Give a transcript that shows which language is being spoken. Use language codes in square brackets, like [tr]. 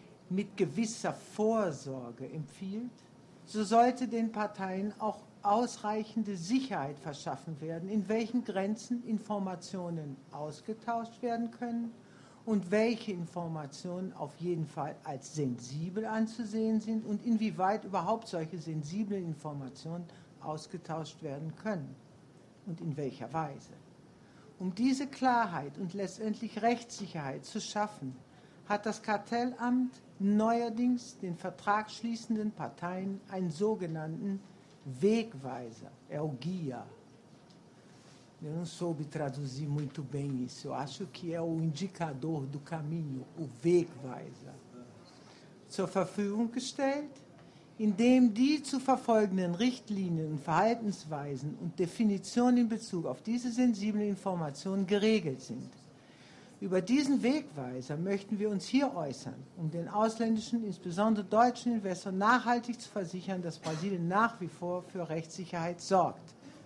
[de] mit gewisser Vorsorge empfiehlt, so sollte den Parteien auch ausreichende Sicherheit verschaffen werden, in welchen Grenzen Informationen ausgetauscht werden können und welche Informationen auf jeden Fall als sensibel anzusehen sind und inwieweit überhaupt solche sensiblen Informationen ausgetauscht werden können und in welcher Weise. Um diese Klarheit und letztendlich Rechtssicherheit zu schaffen, hat das Kartellamt neuerdings den vertragsschließenden Parteien einen sogenannten Wegweiser, [pt] o guia. Eu não soube traduzir muito bem isso. Eu acho que é o indicador do caminho, o Wegweiser. [de] Zur Verfügung gestellt, indem die zu verfolgenden Richtlinien und Verhaltensweisen und Definitionen in Bezug auf diese sensiblen Informationen geregelt sind. Über diesen Wegweiser möchten wir uns hier äußern, um den ausländischen, insbesondere deutschen Investoren nachhaltig zu versichern, dass Brasilien nach wie vor für Rechtssicherheit sorgt.